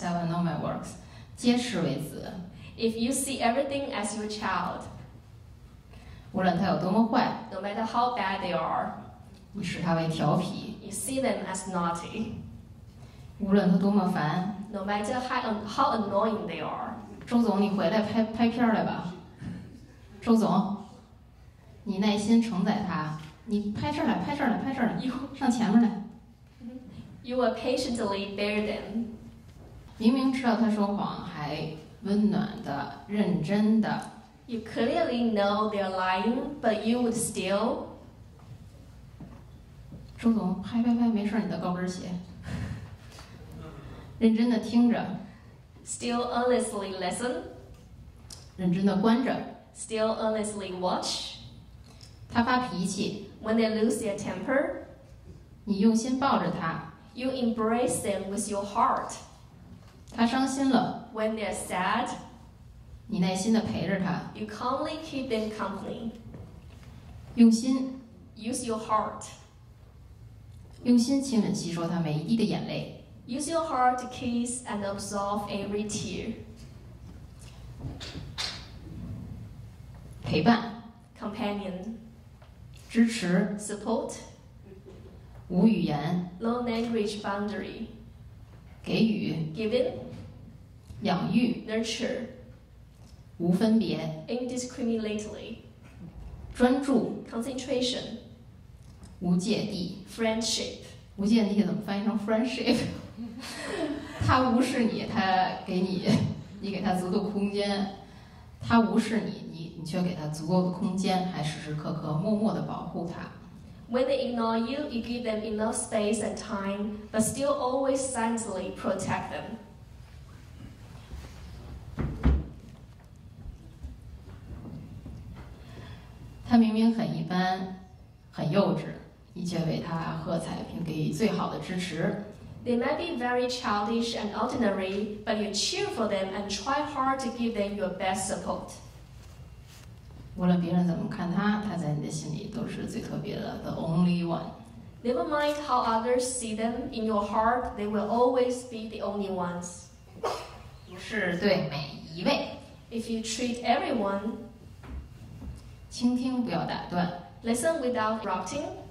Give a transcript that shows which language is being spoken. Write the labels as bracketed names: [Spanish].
[English] that will know my works [Chinese] 皆是为子 [English] if you see everything as your child [Chinese] 无论他有多么坏 [English] no matter how bad they are [Chinese] 你视他为调皮 [English] you see them as naughty [Chinese] 无论他多么烦 [English] no matter how annoying they are [Chinese] 周总你回来 拍片来吧周总你耐心承载他你拍这儿来，拍这儿来，拍这儿来，上前面来。 [English] You will patiently bear them. [Chinese] 明明知道他说谎，还温暖的、认真的。 [English] You clearly know they're lying, but you would still. [Chinese] 周总，拍拍拍，没事，你的高跟鞋。认真的听着。 [English] Still earnestly listen. [Chinese] 认真的观着。 [English] Still earnestly watch. [Chinese] 他发脾气。 [English] When they lose their temper, [Chinese] 你用心抱着他。 [English] You embrace them with your heart. [Chinese] 他伤心了。 [English] When they're sad, [Chinese] 你耐心地陪着他。 [English] You calmly keep them company. [Chinese] 用心。 [English] Use your heart. [Chinese] 用心亲吻吸收他每一滴的眼泪。 [English] Use your heart to kiss and absorb every tear. [Chinese] 陪伴。 [English] Companion. [Chinese] 支持 [English] support [Chinese] 无语言 [English] no language boundary [Chinese] 给予 [English] given [Chinese] 养育 [English] nurture [Chinese] 无分别 [English] indiscriminately [Chinese] 专注 [English] concentration [Chinese] 无芥蒂 [English] friendship [Chinese] 无芥蒂怎么翻译成 friendship 他无视你他给你你给他足够空间他无视你你却给他足够的空间还时时刻刻默默地保护他 [English] When they ignore you, you give them enough space and time but still always silently protect them [Chinese] 他明明很一般很幼稚你却为他喝彩并给予最好的支持 [English] They might be very childish and ordinary but you cheer for them and try hard to give them your best support [Chinese] 无论别人怎么看他，他在你的心里都是最特别的 ， [English] the only one. Never mind how others see them in your heart, they will always be the only ones. [Chinese] 不是对每一位。 [English] If you treat everyone, [Chinese] 倾听不要打断。 [English] Listen without interrupting.